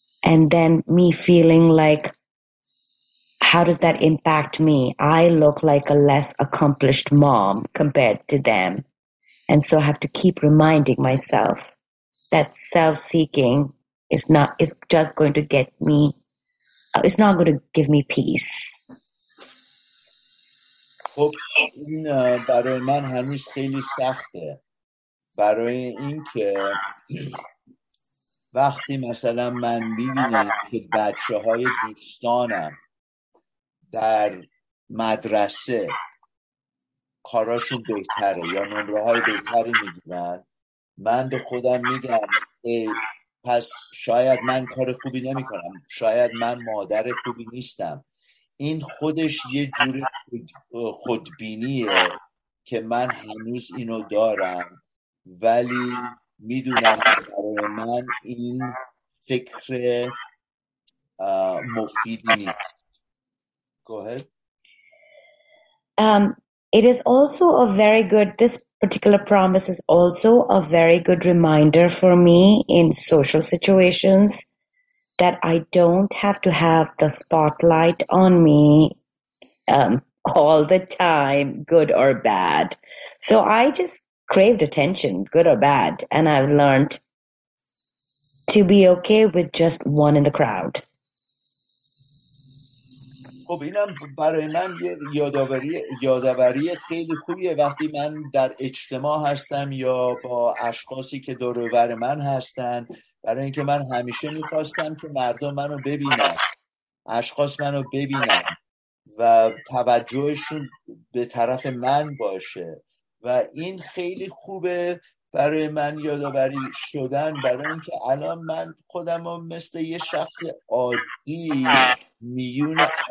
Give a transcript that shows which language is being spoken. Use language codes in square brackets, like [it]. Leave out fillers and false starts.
[en] And then me feeling like how does that impact me? I look like a less accomplished mom compared to them. And so I have to keep reminding myself that self-seeking is not going to give me peace. [fa] خب این برای من هنوز خیلی سخته، برای اینکه وقتی مثلا من ببینم که بچه‌های دوستانم در مدرسه کاراشون بهتره یا نمره های بهتری میگیرن، من به خودم میگم ای پس شاید من کار خوبی نمی کنم، شاید من مادر خوبی نیستم. این خودش یه جور خودبینیه که من هنوز اینو دارم، ولی میدونم برای من این فکر مفیدی نیست. [en] Go ahead. It is also a very good, this particular promise is also a very good reminder for me in social situations that I don't have to have the spotlight on me all the time, good or bad. So I just craved attention, good or bad, and I've learned to be okay with just one in the crowd. [fa] خب اینم برای من یاداوری خیلی خوبیه. وقتی من در اجتماع هستم یا با اشخاصی که دور و بر من هستن، برای اینکه من همیشه میخواستم که مردم منو ببینن، اشخاص منو ببینن و توجهشون به طرف من باشه، و این خیلی خوبه برای من یاداوری شدن، برای اینکه الان من خودم رو مثل یه شخص عادی میونه